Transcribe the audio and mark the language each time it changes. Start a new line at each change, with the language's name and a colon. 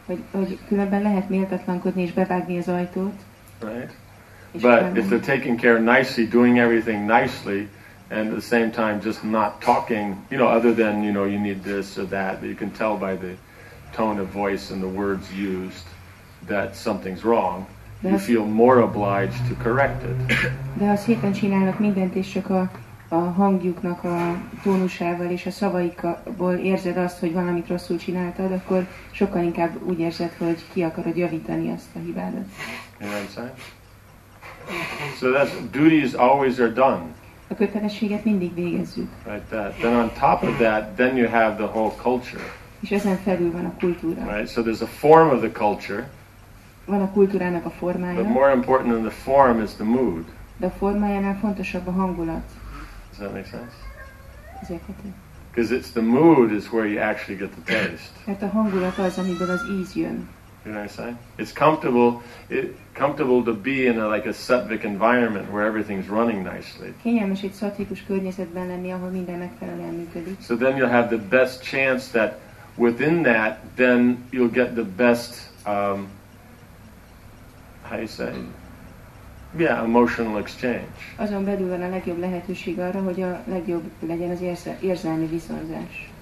Hungarian: Hogy különben lehet méltatlankodni és bevágni az ajtót.
English: Right? But if they're taking care nicely, doing everything nicely, and at the same time just not talking, you know, other than, you know, you need this or that, but you can tell by the tone of voice and the words used that something's wrong, you feel more obliged to correct it.
Hungarian: De ha szépen csinálnak mindent, és csak a hangjuknak a tónusával és a szavaikból érzed azt, hogy valamit rosszul csináltad, akkor sokkal inkább úgy érzed, hogy ki akarod javítani azt a hibádat.
English: So that duties always are done.
Hungarian: A kötelességet mindig végezzük.
English: Right, that. Then on top of that, then you have the whole culture.
Hungarian: És ezen felül van a kultúra.
English: Right, so there's a form of the culture.
Hungarian: Van a kultúrának a formája.
English: But more important than the form is the mood.
Hungarian: De a formájánál fontosabb a hangulat.
English: Does that make sense?
Hungarian: Ez érthető.
English: Because it's the mood is where you actually get the taste.
Hungarian: Mert a hangulat az, amiből az íz jön.
English: You know what I'm saying? It's comfortable. Comfortable to be in a sattvic environment where everything's running nicely.
Hungarian: Kényelmes egy szattvikus környezetben lenni, ahol minden megfelelően működik.
English: So then you'll have the best chance that within that, then you'll get the best. How you say? Yeah, emotional exchange.
Hungarian: Azon belül van a legjobb lehetőség arra, hogy a legjobb legyen az érzelmi viszonzás.